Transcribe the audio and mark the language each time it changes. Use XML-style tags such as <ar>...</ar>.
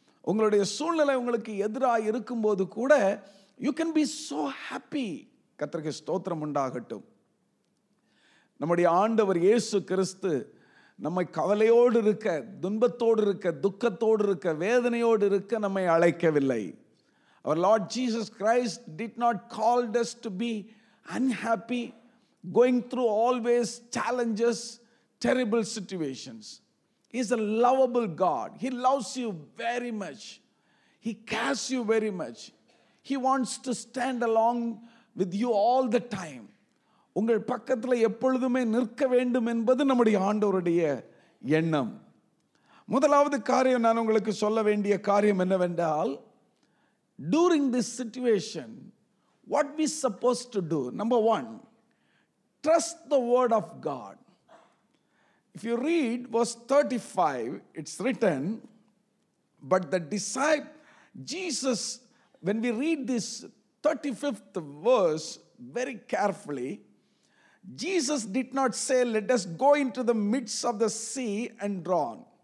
<ta>உங்களுடைய சூழ்நிலை உங்களுக்கு எதிராக இருக்கும்போது கூட</ta> <en>You can be so happy.</en> <ta>கர்த்தருக்கு ஸ்தோத்திரம் உண்டாகட்டும். நம்முடைய ஆண்டவர் இயேசு கிறிஸ்து நம்மை கவலையோடு இருக்க, துன்பத்தோடு இருக்க, துக்கத்தோடு இருக்க, வேதனையோடு இருக்க நம்மை அழைக்கவில்லை.</ta> <en>Our Lord Jesus Christ did not call us to be unhappy, going through always challenges, terrible situations. He is a lovable God. He loves you very much. He cares you very much. He wants to stand along with you all the time.</en> <ta>உங்கள் பக்கத்தில் எப்பொழுதுமே நிற்க வேண்டும் என்பது நம்முடைய ஆண்டவருடைய எண்ணம். முதலாவது காரியம் நான் உங்களுக்கு சொல்ல வேண்டிய காரியம் என்னவென்றால்,</ta> <en>During this situation, what we supposed to do? Number 1, trust the word of God. If you read verse 35, it's written, but the disciple, Jesus, when we read this 35th verse very carefully, Jesus did not say, let us go into the midst of the sea and drown.</en>